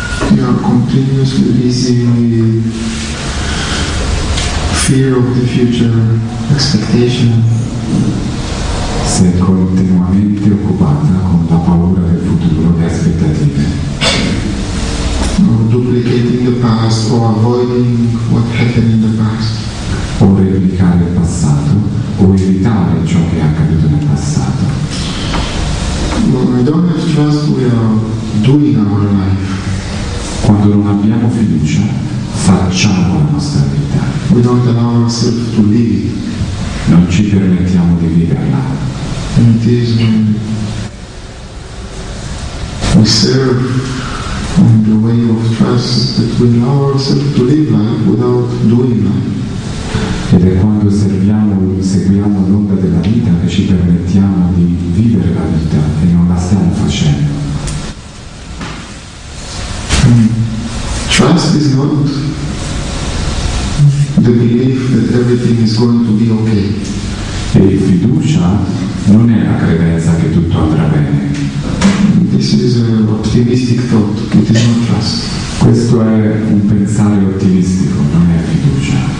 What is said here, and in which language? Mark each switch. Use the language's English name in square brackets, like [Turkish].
[English] You are continuously busy with fear of the future, expectation. [Italian] Se è continuamente occupata con la paura del futuro, le aspettative. [English] Or duplicating the past or avoiding what happened in the past. [Italian] O replicare il passato o evitare ciò che è accaduto nel passato. [English] We don't have trust, we are doing our life. [Italian] Quando non abbiamo fiducia, facciamo la nostra vita. [English] We don't allow ourselves to live. [Italian] Non ci permettiamo di viverla. [English] And it is when we serve in the way of trust that we allow ourselves to live life without doing life. [Italian] Ed è quando seguiamo l'onda della vita che ci permettiamo di vivere la vita e non la stiamo facendo. [English] Trust is not the belief that everything is going to be okay. [Italian] E fiducia non è la credenza che tutto andrà bene. [English] This is an optimistic thought. It is not trust. [Italian] Questo è un pensare ottimistico, non è fiducia.